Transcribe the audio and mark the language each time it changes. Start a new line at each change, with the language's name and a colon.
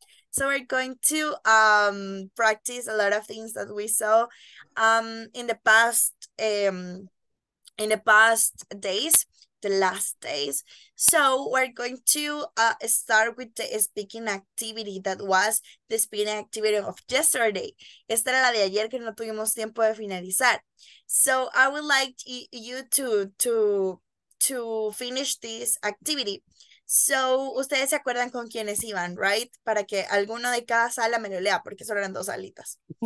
English: So we're going to practice a lot of things that we saw in the past days, the last days. So we're going to start with the speaking activity that was the speaking activity of yesterday.
Spanish: Esta era la de ayer que no tuvimos tiempo de finalizar.
English: So I would like you to finish this activity.
Spanish: So, ustedes se acuerdan con quiénes iban, right? Para que alguno de cada sala me lo lea, porque solo eran dos salitas.